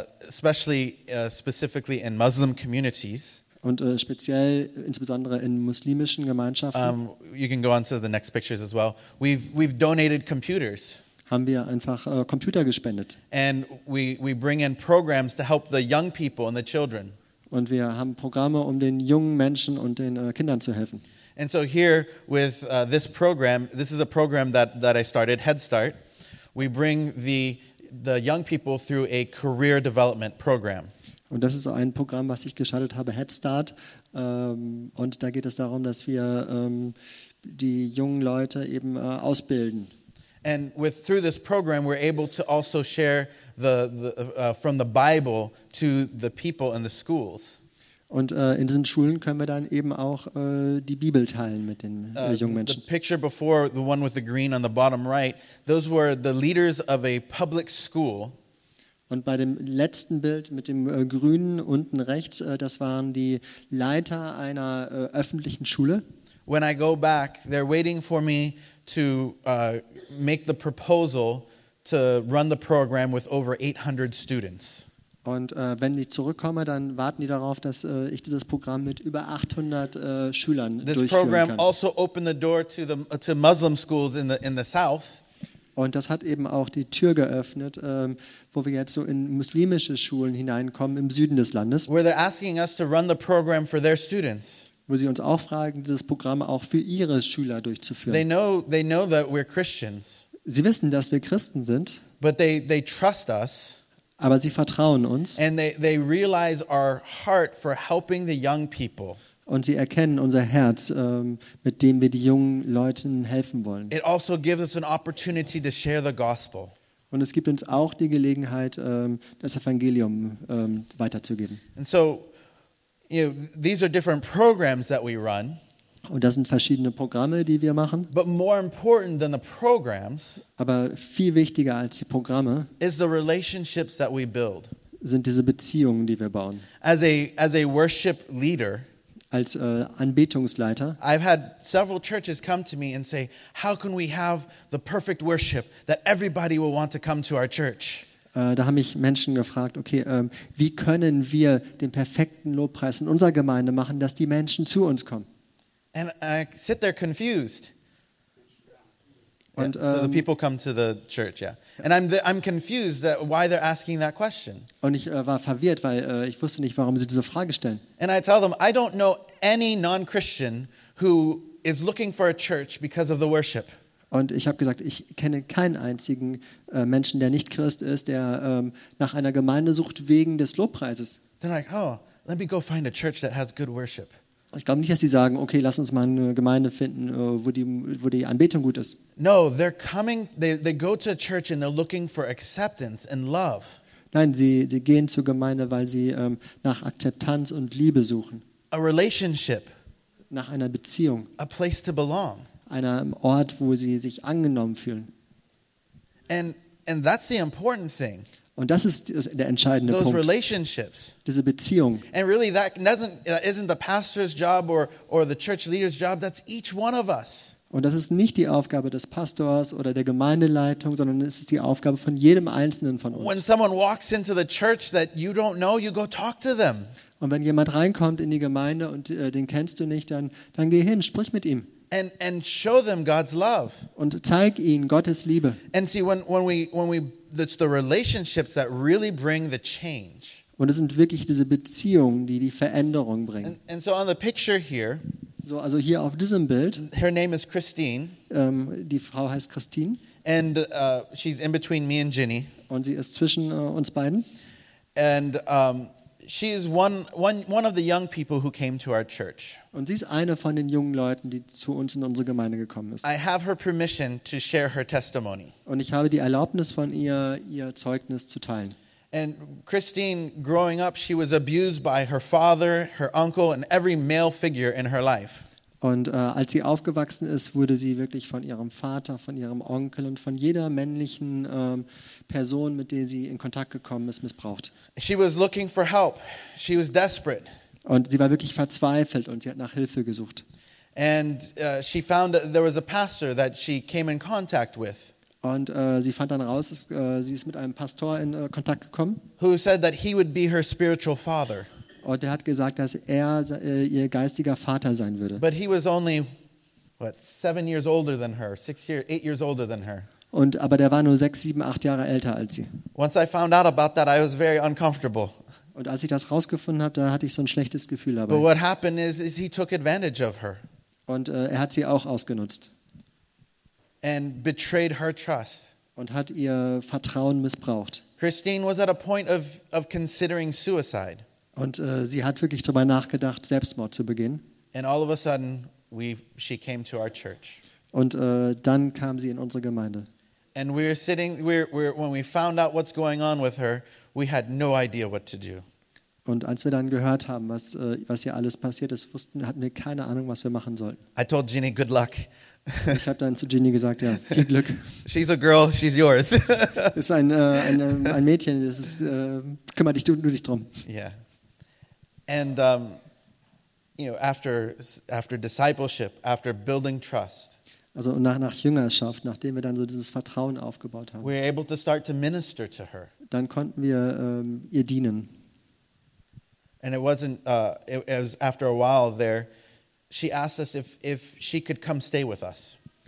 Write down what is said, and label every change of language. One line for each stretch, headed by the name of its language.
English: Specifically in Muslim communities.
German: Und speziell insbesondere in muslimischen Gemeinschaften.
English: You can go on to the next pictures as well. We've donated computers.
German: Haben wir einfach Computer gespendet.
English: And we bring in programs to help the young people and the children.
German: Und wir haben Programme, um den jungen Menschen und den Kindern zu helfen.
English: And so here with this program, this is a program that I started, Head Start. We bring the young people through a career development program.
German: Und das ist ein Programm, was ich gestartet habe, Head Start. Und da geht es darum, dass wir die jungen Leute eben ausbilden.
English: And through this program, we're able to also share from the Bible to the people in the schools.
German: Und in diesen Schulen können wir dann eben auch die Bibel teilen mit den jungen Menschen.
English: The picture before, the one with the green on the bottom right, those were the leaders of a public school.
German: Und bei dem letzten Bild mit dem grünen unten rechts, das waren die Leiter einer öffentlichen Schule.
English: When I go back, they're waiting for me to make the proposal to run the program with over 800 students.
German: Und wenn ich zurückkomme, dann warten die darauf, dass ich dieses Programm mit über 800 Schülern durchführen kann.
English: This program also opened the door to the Muslim schools in the south.
German: Und das hat eben auch die Tür geöffnet, wo wir jetzt so in muslimische Schulen hineinkommen im Süden des Landes.
English: Where they're asking us to run the program for their students.
German: Wo sie uns auch fragen, dieses Programm auch für ihre Schüler durchzuführen.
English: They know that we're Christians.
German: Sie wissen, dass wir Christen sind.
English: But they trust us.
German: Aber sie vertrauen uns.
English: And they realize our heart for helping the young people.
German: Und sie erkennen unser Herz, mit dem wir die jungen Leuten helfen wollen.
English: It also gives us an opportunity to share the gospel.
German: Und es gibt uns auch die Gelegenheit, das Evangelium weiterzugeben.
English: And so, you know, these are different programs that we run.
German: Und das sind verschiedene Programme, die wir machen.
English: But more important than the programs,
German: aber viel wichtiger als die Programme,
English: is the relationships that we build.
German: Sind diese Beziehungen, die wir bauen.
English: As a worship leader,
German: als Anbetungsleiter,
English: I've had several churches come to me and say, how can we have the perfect worship that everybody will want to come to our church?
German: Da haben mich Menschen gefragt, okay, wie können wir den perfekten Lobpreis in unserer Gemeinde machen, dass die Menschen zu uns kommen?
English: And I sit there confused.
German: Und,
English: so the people come to the church, yeah. And I'm confused that why they're asking that question.
German: Und ich war verwirrt, weil ich wusste nicht, warum sie diese Frage stellen.
English: And I tell them, I don't know any non-Christian who is looking for a church because of the worship.
German: Und ich habe gesagt, ich kenne keinen einzigen Menschen, der nicht Christ ist, der nach einer Gemeinde sucht wegen des Lobpreises.
English: They're like, oh, let me go find a church that has good worship.
German: Ich glaube nicht, dass sie sagen, okay, lass uns mal eine Gemeinde finden, wo die Anbetung gut ist.
English: No, they're coming, they go to a church and they're looking for acceptance and love.
German: Nein, sie gehen zur Gemeinde, weil sie nach Akzeptanz und Liebe suchen.
English: A relationship.
German: Nach einer Beziehung.
English: A place to belong.
German: Einem Ort, wo sie sich angenommen fühlen.
English: And that's the important thing.
German: Und das ist der entscheidende
English: Those
German: Punkt.
English: Relationships.
German: Diese Beziehung.
English: And really that isn't the pastor's job or the church leader's job, that's each one of us.
German: Und das ist nicht die Aufgabe des Pastors oder der Gemeindeleitung, sondern es ist die Aufgabe von jedem einzelnen von uns.
English: When someone walks into the church that you don't know, you go talk to them.
German: Und wenn jemand reinkommt in die Gemeinde und den kennst du nicht, dann geh hin, sprich mit ihm.
English: And show them God's love.
German: Und zeig ihnen Gottes Liebe.
English: And see when we it's the relationships that really bring the change.
German: Und es sind wirklich diese Beziehungen, die Veränderung bringen.
English: And so on the picture here.
German: So also hier auf diesem Bild.
English: Her name is Christine.
German: Die Frau heißt Christine.
English: And she's in between me and Ginny.
German: Und sie ist zwischen uns beiden.
English: And she is one of the young people who came to our church.
German: Und sie ist eine von den jungen Leuten, die zu uns in unsere Gemeinde gekommen ist.
English: I have her permission to share her testimony.
German: Und ich habe die Erlaubnis von ihr Zeugnis zu teilen.
English: And Christine, growing up, she was abused by her father, her uncle, and every male figure in her life.
German: Und als sie aufgewachsen ist, wurde sie wirklich von ihrem Vater, von ihrem Onkel und von jeder männlichen Person, mit der sie in Kontakt gekommen ist, missbraucht.
English: She was looking for help. She was desperate.
German: Und sie war wirklich verzweifelt und sie hat nach Hilfe gesucht.
English: And she found that there was a pastor that she came in contact with.
German: Und sie fand dann raus, sie ist mit einem Pastor in Kontakt gekommen.
English: Who said that he would be her spiritual father.
German: Und er hat gesagt, dass er ihr geistiger Vater sein würde.
English: But he was only what 7 years older than her, 6 years, 8 years older than her.
German: Und aber der war nur 6, 7, 8 Jahre älter als sie.
English: Once I found out about that, I was very uncomfortable.
German: Und als ich das rausgefunden habe, da hatte ich so ein schlechtes Gefühl dabei.
English: But what happened is he took advantage of her.
German: Und er hat sie auch ausgenutzt.
English: And betrayed her trust.
German: Und hat ihr Vertrauen missbraucht.
English: Christine was at a point of considering suicide.
German: Und sie hat wirklich darüber nachgedacht, Selbstmord zu begehen.
English: And all of a sudden, she came to our church.
German: Und dann kam sie in unsere Gemeinde.
English: And we were sitting, when we found out what's going on with her, we had no idea what to do.
German: Und als wir dann gehört haben, was hier alles passiert ist, hatten wir keine Ahnung, was wir machen sollten.
English: I told Ginny, good luck.
German: Ich habe dann zu Ginny gesagt, ja, viel Glück.
English: She's a girl, she's yours.
German: Ist ein Mädchen, das ist, kümmere dich nur dich drum.
English: Yeah. And after discipleship, after building trust.
German: Also nach Jüngerschaft, nachdem wir dann so dieses Vertrauen aufgebaut haben.
English: We were able to start to minister to her.
German: Dann konnten wir ihr dienen.
English: And it wasn't it was after a while there. She asked us if she could come stay with us.